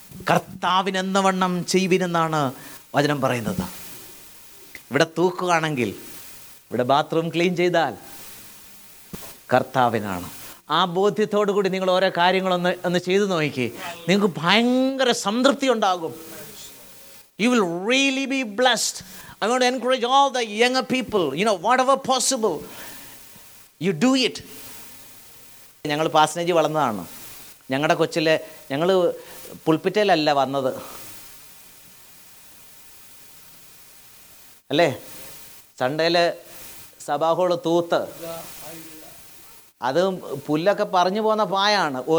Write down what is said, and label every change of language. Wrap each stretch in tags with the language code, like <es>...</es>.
<ml>കർത്താവിന് എന്നവണ്ണം ചെയ്യുവിനെന്നാണ് വചനം പറയുന്നത്. ഇവിടെ തൂക്കുകയാണെങ്കിൽ, ഇവിടെ ബാത്റൂം ക്ലീൻ ചെയ്താൽ കർത്താവിനാണ്. ആ ബോധ്യത്തോടുകൂടി നിങ്ങൾ ഓരോ കാര്യങ്ങളൊന്ന് ഒന്ന് ചെയ്തു നോക്കി, നിങ്ങൾക്ക് ഭയങ്കര സംതൃപ്തി ഉണ്ടാകും.</ml> <en>You will really be blessed. I want to encourage all the younger people, you know, whatever possible, you do it.</en> <ml>ഞങ്ങൾ പാസനേജ് വളർന്നതാണ്. ഞങ്ങളുടെ കൊച്ചിലെ, ഞങ്ങൾ പുൽപ്പിറ്റയിലല്ല വന്നത്, അല്ലേ? സൺഡേയിലെ സഭാഹോള് തൂത്ത്, അത് പുല്ലൊക്കെ പറഞ്ഞു പോകുന്ന പായാണ്.</ml>